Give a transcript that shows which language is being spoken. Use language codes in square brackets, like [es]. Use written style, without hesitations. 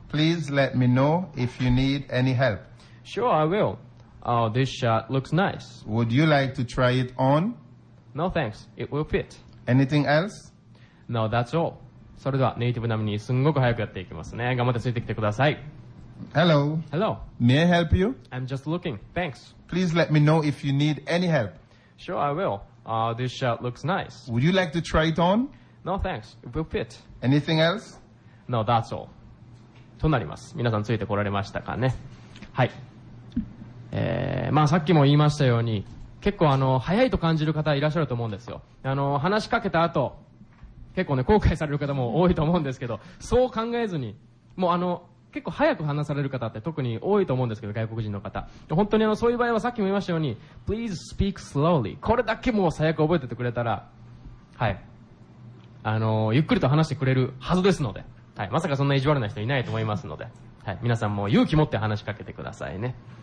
[en] Please let me know if you need any help. Sure, I will. Oh, this shirt looks nice. Would you like to try it on? No, thanks. It will fit. Anything else? No, that's all. [ja] それではネイティブ並みにすんごく早くやっていきますね。頑張ってついてきてください。 [en] Hello. Hello. May I help you? I'm just looking. Thanks. Please let me know if you need any help. Sure, I will. Oh, this shirt looks nice. Would you like to try it on? No, thanks. It will fit. Anything else? No, that's all. [ja] となります。皆さんついてこられましたかね。はい。まあさっきも言いましたように結構早いと感じる方いらっしゃると思うんですよ。話しかけた後結構ね後悔される方も多いと思うんですけど、そう考えずにもう結構早く話される方って特に多いと思うんですけど、外国人の方本当にそういう場合はさっきも言いましたように [en] Please speak slowly、 [ja] これだけもう最悪覚えててくれたら、はい、ゆっくりと話してくれるはずですので、はい、まさかそんな意地悪な人いないと思いますので、はい、皆さんも勇気持って話しかけてくださいね。